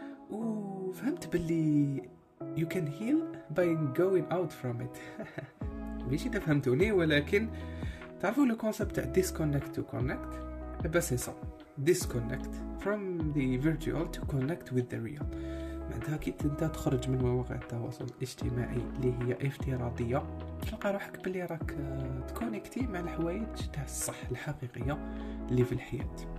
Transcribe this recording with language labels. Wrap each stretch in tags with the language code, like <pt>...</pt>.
<ar>وفهمت باللي</ar> <en>you can heal by going out from it.</en> <ar>ماشي إذا فهمتوني ولكن تعرفوا لو كونسيبت تاع</ar> <en>disconnect to connect.</en> <ar>بس هي صح</ar> <en>disconnect from the virtual to connect with the real.</en> <ar>معناتها كي انت تخرج من مواقع التواصل الاجتماعي اللي هي افتراضيه تلقى روحك بلي راك تكونكتي مع الحوايج تاع الصح الحقيقيه اللي في الحياه.</ar>